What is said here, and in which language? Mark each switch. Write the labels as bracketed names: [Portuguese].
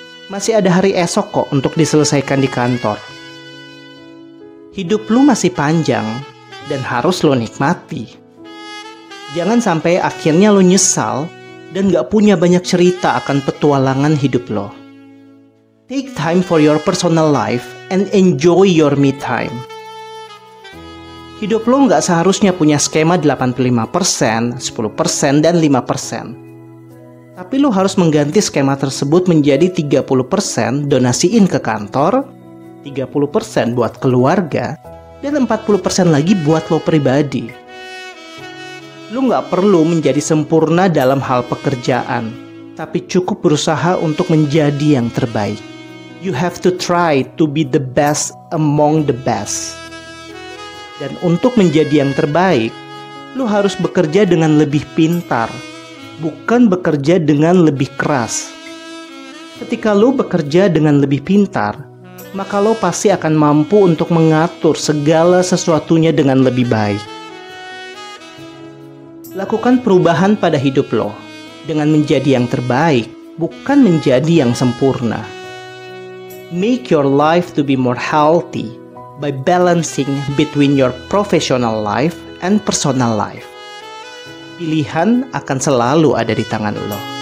[Indonesian] Masih ada hari esok kok untuk diselesaikan di kantor. Hidup lo masih panjang dan harus lo nikmati. Jangan sampai akhirnya lo nyesal dan gak punya banyak cerita akan petualangan hidup lo. [English] Take time for your personal life and enjoy your me time. [Indonesian] Hidup lo gak seharusnya punya skema 85%, 10%, dan 5%. Tapi lo harus mengganti skema tersebut menjadi 30% donasiin ke kantor, 30% buat keluarga, dan 40% lagi buat lo pribadi. Lo gak perlu menjadi sempurna dalam hal pekerjaan, tapi cukup berusaha untuk menjadi yang terbaik. [English] You have to try to be the best among the best. [Indonesian] Dan untuk menjadi yang terbaik, lo harus bekerja dengan lebih pintar, bukan bekerja dengan lebih keras. Ketika lo bekerja dengan lebih pintar, maka lo pasti akan mampu untuk mengatur segala sesuatunya dengan lebih baik. Lakukan perubahan pada hidup lo dengan menjadi yang terbaik, bukan menjadi yang sempurna. [English] Make your life to be more healthy by balancing between your professional life and personal life. [Indonesian] Pilihan akan selalu ada di tangan lo.